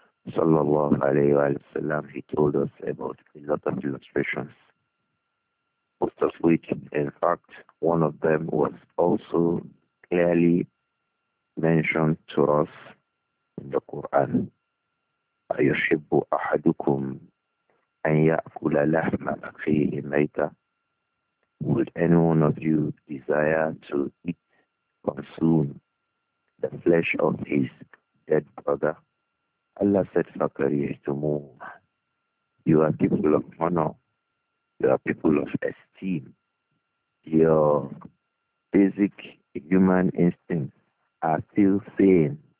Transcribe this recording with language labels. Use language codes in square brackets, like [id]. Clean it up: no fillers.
[en] Sallallahu alayhi wa sallam, he told us about a lot of illustrations, most of which, in fact, one of them was also clearly mentioned to us in the Quran. [ar] أَيُحِبُّ أَحَدُكُمْ أَنْ يَأْكُلَ لَحْمَ أَخِيهِ مَيْتًا. [en] Would any one of you desire to eat, consume the flesh of his dead brother? Allah said, فَكَرِهْتُمُوهُ. You are people of honor. You are people of esteem. Your basic human instincts are still sane.